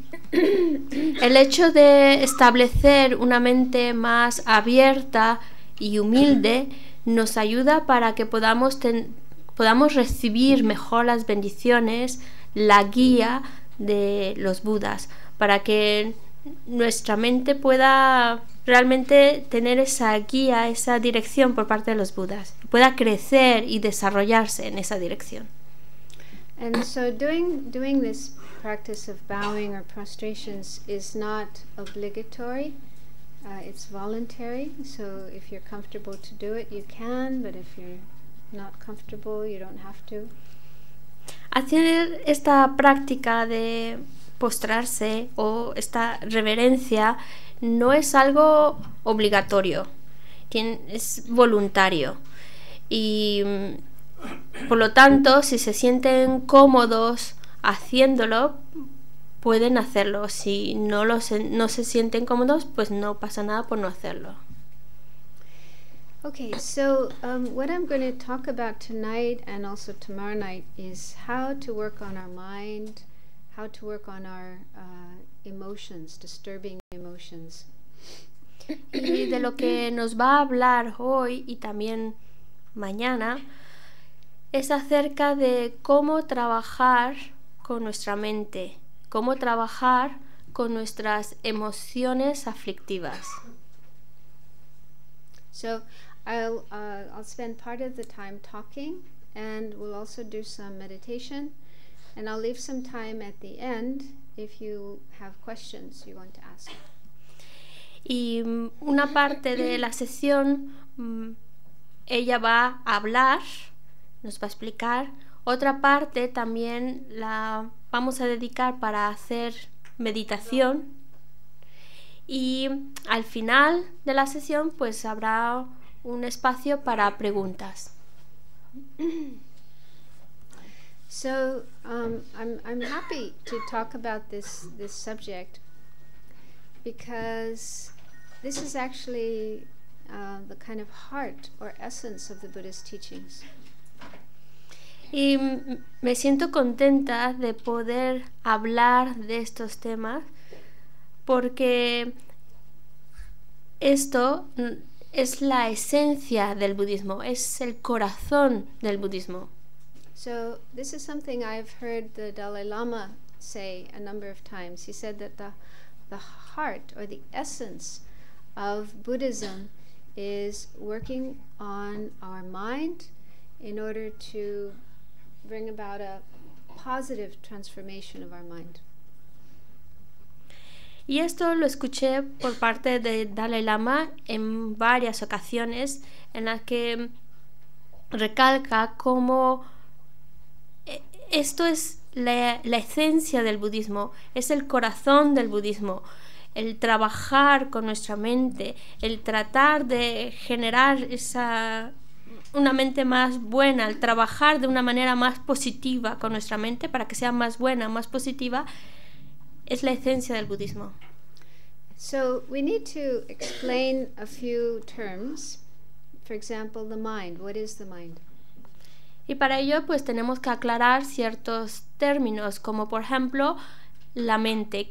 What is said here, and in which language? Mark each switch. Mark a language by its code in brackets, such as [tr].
[es] El hecho de establecer una mente más abierta y humilde nos ayuda para que podamos recibir mejor las bendiciones, la guía de los Budas, para que nuestra mente pueda realmente tener esa guía, esa dirección por parte de los Budas, pueda crecer y desarrollarse en esa dirección. [en] And so doing this practice of bowing or prostrations is not obligatory. It's voluntary, so if you're comfortable to do it, you can, but if you're not comfortable, you don't have to. [es] Hacer esta práctica de postrarse o esta reverencia no es algo obligatorio, es voluntario. Y por lo tanto, si se sienten cómodos haciéndolo, pueden hacerlo. Si no se sienten cómodos, pues no pasa nada por no hacerlo. [en] Okay, so what I'm going to talk about tonight and also tomorrow night is how to work on our mind, how to work on our emotions, disturbing emotions. [es] Y de lo que nos va a hablar hoy y también mañana es acerca de cómo trabajar con nuestra mente, cómo trabajar con nuestras emociones aflictivas. [en] So I'll spend part of the time talking, and we'll also do some meditation, and I'll leave some time at the end if you have questions you want to ask. [es] Y una parte de la sesión, ella va a hablar, nos va a explicar. Otra parte también la vamos a dedicar para hacer meditación. Y al final de la sesión, pues habrá un espacio para preguntas. [en] So, I'm happy to talk about this subject, because this is actually the kind of heart or essence of the Buddha's teachings. [es] Y me siento contenta de poder hablar de estos temas, porque esto es la esencia del budismo, es el corazón del budismo. [en] So this is something I've heard the Dalai Lama say a number of times. He said that the heart or the essence of Buddhism is working on our mind in order to bring about a positive transformation of our mind. [es] Y esto lo escuché por parte de Dalai Lama en varias ocasiones, en las que recalca cómo esto es la esencia del budismo, es el corazón del budismo, el trabajar con nuestra mente, el tratar de generar esa una mente más buena, el trabajar de una manera más positiva con nuestra mente para que sea más buena, más positiva, es la esencia del budismo. [en] So we need to explain a few terms. For example, the mind. What is the mind? [es] Y para ello, pues tenemos que aclarar ciertos términos, como por ejemplo, la mente.